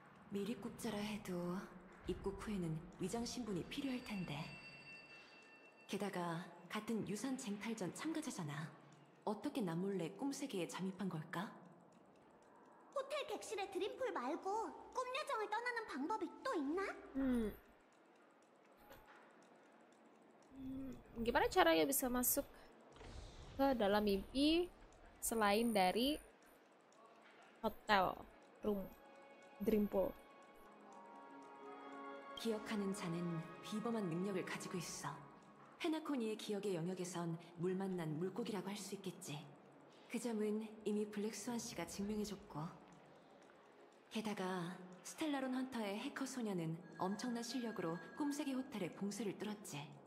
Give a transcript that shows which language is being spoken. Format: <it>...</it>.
<ko>미리꼽자라 해도 입국 후에는 위장 신분이 필요할 텐데. 게다가 같은 유산 쟁탈전 참가자잖아. 어떻게 남몰래 꿈세계에 잠입한 걸까? 호텔 객실의 드림풀 말고 꿈 여정을 떠나는 방법이 또 있나?</ko> <id>Gimana caranya bisa masuk ke dalam mimpi selain dari hotel room Dreampool?</id> <ko>기억하는 자는 비범한 능력을 가지고 있어. 페나코니의 기억의 영역에선 물 만난 물고기라고 할 수 있겠지. 그 점은 이미 블랙스완 씨가 증명해줬고. 게다가 스텔라론 헌터의 해커 소녀는 엄청난 실력으로 꿈세계 호텔에 봉쇄를 뚫었지.</ko>